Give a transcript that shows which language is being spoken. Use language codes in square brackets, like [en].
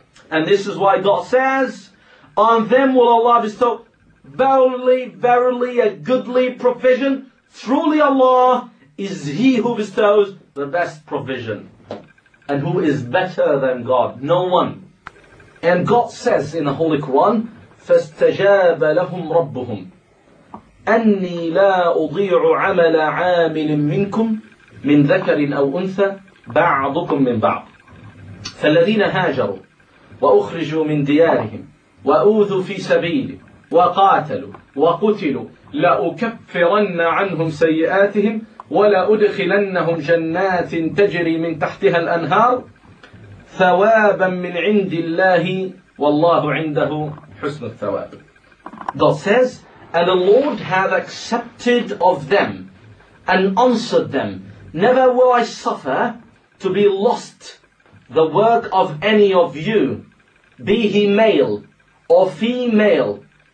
[en] And this is why God says, on them will Allah bestow verily, verily a goodly provision. Truly Allah is He who bestows the best provision. And who is better than God? No one. And God says in the Holy Quran, [ar] فَاسْتَجَابَ لَهُمْ رَبُّهُمْ أَنِّي لَا أُضِيعُ عَمَلَ عَامِلٍ مِّنْكُمْ مِنْ ذَكَرٍ أَوْ أُنْثَى بَعْضُكُمْ مِّنْ بَعْضٍ فَالَّذِينَ هَاجَرُوا وَأُخْرِجُوا مِنْ دِيَارِهِمْ وَأُوذُوا فِي سَبِيلِهِ وقاتلوا وقتلوا لأكفرن عنهم سيئاتهم ولأدخلنهم جنات تجري من تحتها الأنهار ثوابا من عند الله والله عنده حسن الثواب. [en] God says, and the Lord have accepted of them and answered them, never will I suffer to be lost the work of any of you, be he male or female.